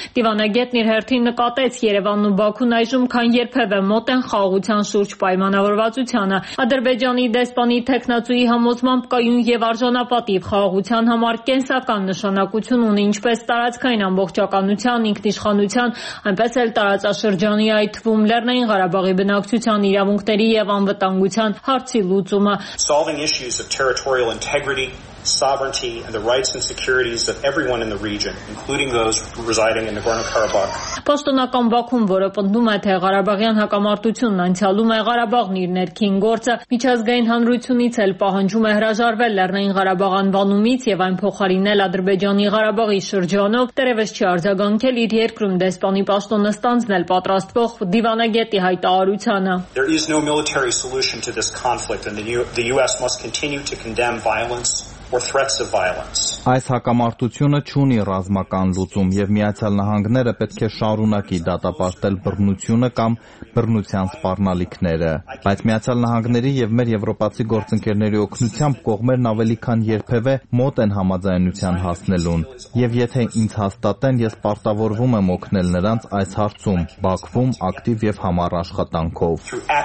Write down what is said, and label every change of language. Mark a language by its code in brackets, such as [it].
[hy] Դիվանագետն իր հերթին նկատեց, Երևանն ու Բաքուն այժմ քան երբևէ մոտ են խաղաղության շուրջ պայմանավորվածությանը։ Ադրբեջանի դեսպանի թեկնածուի համոզմամբ կայուն և արժանապատիվ խաղաղության համար կենսական նշանակություն ունի ինչպես տարածքային ամբողջականության, ինքնիշխանության, այնպես էլ տարածաշրջանի, այդ թվում Լեռնային Ղարաբաղի բնակչության իրավունքների և անվտանգության հարցի լուծումը։ [en] Solving issues of territorial integrity, sovereignty and the rights and securities of everyone in the region, including those residing in Nagorno-Karabakh. [hy] Պաշտոնական Բաքուն, որը պնդում է, թե Ղարաբաղյան հակամարտությունն անցյալում է Ղարաբաղն իր ներքին գործը, միջազգային հանրությունից էլ պահանջում է հրաժարվել Լեռնային Ղարաբաղ անվանումից եւ այն փոխարինել Ադրբեջանի Ղարաբաղի շրջանով, դերևս չի արձագանքել իր երկրում դեսպանի պաշտոնը ստանձնել պատրաստվող դիվանագետի հայտարարությանը։ [en] There is no military solution to this conflict and the US must continue to condemn violence or threats of violence. [hy] Այս հակամարտությունը չունի ռազմական լուծում եւ Միացյալ Նահանգները պետք է շարունակի դատապարտել բռնությունը կամ բռնության սպառնալիքները, բայց Միացյալ Նահանգների եւ մեր եվրոպացի գործընկերների օգնությամբ կողմերն ավելի քան երբևէ մոտ են համաձայնության հասնելուն, եւ եթե ինձ հաստատեն, ես պարտավորվում եմ օգնել նրանց այս հարցում՝ Բաքվում ակտիվ եւ համառ աշխատանքով։